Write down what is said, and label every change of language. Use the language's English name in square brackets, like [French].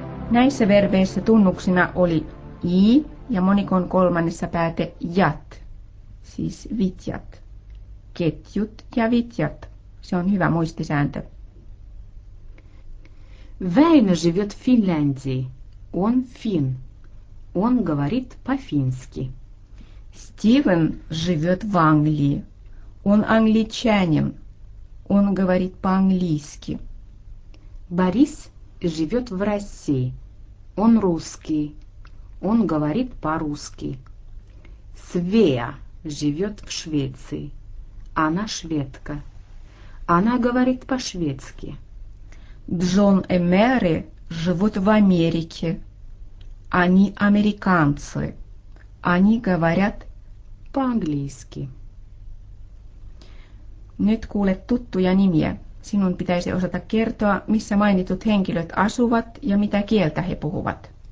[Finnish] Näissä verbeissä tunnuksina oli i ja monikon kolmannessa pääte jat, siis vitjat. Ketjut ja vitjat. Se on hyvä muistisääntö. [Russian] Väinö живёт в Финляндии. Он фин. Он говорит по-фински. Стивен живёт в Англии. Он англичанин. Он говорит по-английски. Борис живёт в России. Он русский. Он говорит по-русски. Свея живёт в Швеции. Она шведка. Она говорит по-шведски. Джон и Мэри живут в Америке. Они американцы. Они говорят по-английски. [Finnish] Nyt kuulet tuttuja nimiä. Sinun pitäisi osata kertoa, missä mainitut henkilöt asuvat ja mitä kieltä he puhuvat.